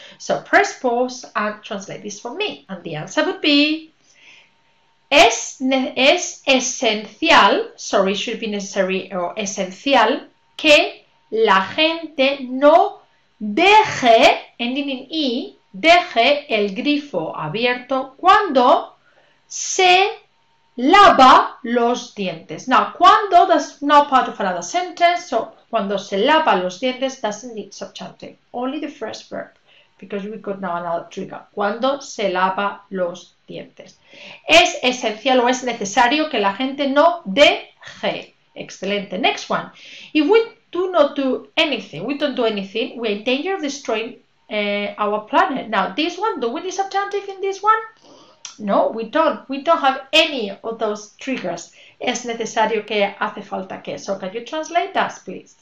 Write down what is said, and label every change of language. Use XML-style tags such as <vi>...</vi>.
<en>So press pause and translate this for me, and the answer would be,</en> <es>es esencial,</es> <en>sorry, should be necessary, or</en> <es>esencial, que la gente no deje,</es> <en>ending in E,</en> <es>deje el grifo abierto cuando se lava los dientes.</es> <en>Now, cuando, that's not part of another sentence, so</en> <es>cuando se lava los dientes</es> <en>doesn't need subjunctive. Only the first verb, because we got now another trigger.</en> <es>Cuando se lava los dientes. Es esencial o es necesario que la gente no deje. Excelente.</es> <en>Next one. If we do not do anything, we don't do anything, we're in danger of destroying our planet. Now, this one, do we need subjunctive in this one? No, we don't. We don't have any of those triggers.</en> <es>Es necesario que, hace falta que.</es> <en>So, can you translate that, please?</en>